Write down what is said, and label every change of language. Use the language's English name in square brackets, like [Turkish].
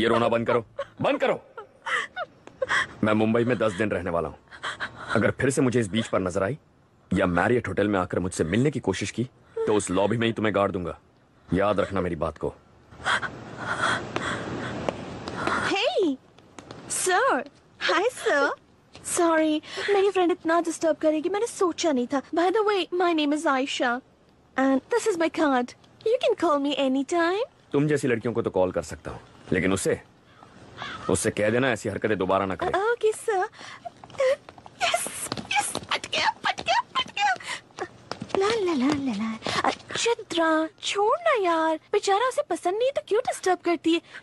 [Hindi] ये रोना बंद करो, बंद करो। मैं मुंबई में 10 दिन रहने वाला हूँ, अगर फिर से मुझे इस बीच पर नजर आई या मैरियट होटल में आकर मुझसे मिलने की कोशिश की तो उस लॉबी में ही तुम्हें गाड़ दूंगा। याद रखना मेरी बात को। [English] Hey, sir. Hi, sir. [Hindi] Sorry, मेरी फ्रेंड इतना डिस्टर्ब करेगी, मैंने सोचा नहीं था। [English] By the way, my name is Aisha and this is my card. You can call me anytime. [Hindi] तुम जैसी लड़कियों को तो कॉल कर सकता हूँ, लेकिन उसे उसे कह देना ऐसी हरकतें दोबारा ना करे। [English] Okay, sir. Yes, yes. [Hindi] पट गया, पट गया, पट गया. ला ला ला ला ला. चित्रा छोड़ ना यार, बेचारा उसे पसंद नहीं तो क्यों डिस्टर्ब करती है?